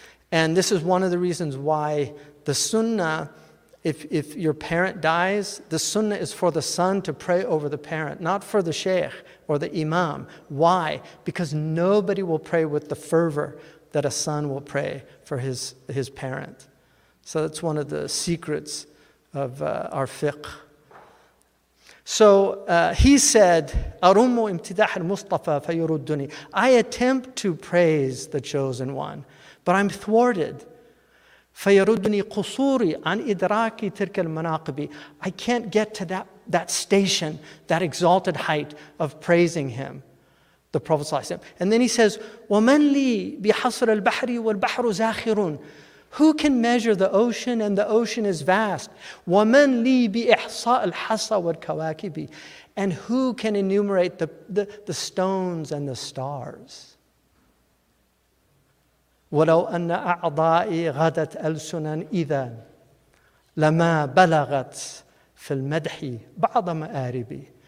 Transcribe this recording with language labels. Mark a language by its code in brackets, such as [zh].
[en] And this is one of the reasons why the sunnah, if your parent dies, the sunnah is for the son to pray over the parent, not for the sheikh or the imam. Why? Because nobody will pray with the fervor that a son will pray for his parent. So that's one of the secrets of our fiqh. So he said, [ar] أَرُمُّ إِمْتِدَاحَ الْمُصْطَفَى فَيُرُدُّنِي. [en] I attempt to praise the chosen one, but I'm thwarted. [ar] فَيُرُدُّنِي قُصُورِي عَنْ إِدْرَاكِ تِرْكَ الْمَنَاقِبِ. [en] I can't get to that station, that exalted height of praising him, the Prophet ﷺ. And then he says, [ar] وَمَنْ لِي بِحَصْرَ الْبَحْرِ وَالْبَحْرُ زَاخِرٌ. [en] Who can measure the ocean and the ocean is vast? [ar] وَمَنْ لِي بِإِحْصَاءِ الْحَصَى وَالْكَوَاكِبِ. [en] And who can enumerate the stones and the stars? [ar] وَلَوْ أَنَّ أَعْضَائِي غَدَتْ أَلْسُنًا إِذًا لَمَا بَلَغَتْ فِي الْمَدْحِ بَعْضَ مَآرِبِ.